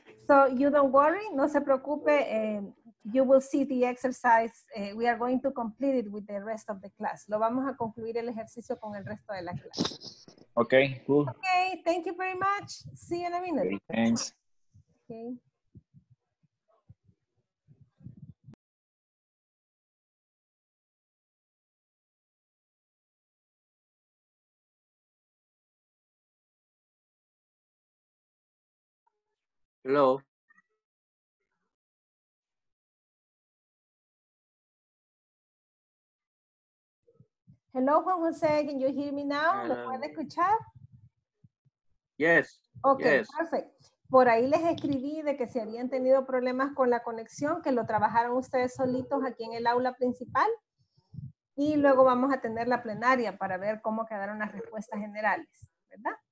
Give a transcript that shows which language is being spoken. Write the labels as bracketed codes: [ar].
[en] So, you don't worry, [es] no se preocupe, [en] you will see the exercise, we are going to complete it with the rest of the class. [es] Lo vamos a concluir el ejercicio con el resto de la clase. [en] Okay, cool. Okay, thank you very much. See you in a minute. Okay, thanks. Okay. Hello. Hello, Juan Jose, can you hear me now? [es] ¿Lo pueden escuchar? [en] Yes. Ok, yes. Perfect. [es] Por ahí les escribí de que si habían tenido problemas con la conexión, que lo trabajaron ustedes solitos aquí en el aula principal. Y luego vamos a tener la plenaria para ver cómo quedaron las respuestas generales, ¿verdad?